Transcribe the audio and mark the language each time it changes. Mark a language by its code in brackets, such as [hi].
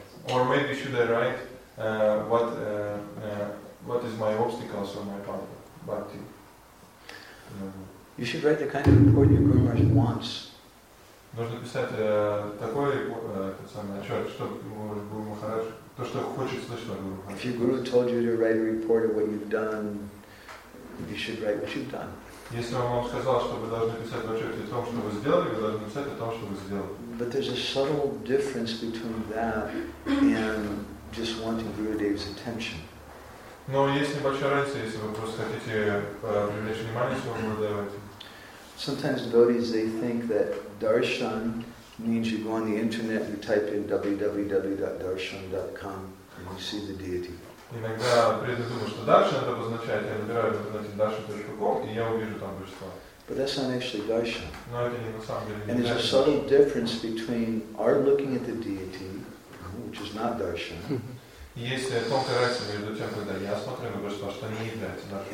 [en] Or maybe should I write what is my obstacles or my path? Bhakti. You should write the kind of report your Guru Maharaj wants. [ru] Нужно писать такой отчет, что Гуру Махарадж, то, что хочет слышать Гуру Махарадж. [en] If your Guru told you to write a report of what you've done, you should write what you've done. [ru] Если он вам сказал, что вы должны писать в отчете о том, что вы сделали, вы должны писать о том, что вы сделали. [en] But there's a subtle difference between that and just wanting Gurudev's attention. [ru] Но есть небольшая разница, если вы просто хотите привлечь внимание своего Гурудева. [en] Sometimes devotees, they think that darshan means you go on the internet, you type in www.darshan.com and you see the deity. [ru] Иногда преды думают, что даршан это обозначает, я набираю в интернете darshan.com и я увижу там божество. [en] But that's not actually darshan. [ru] Но это не на самом деле. [en] And there's a subtle difference between our looking at the deity, which is not darshan. [ru] Есть тонкая разница между тем, когда я смотрю на божество, что не является даршан.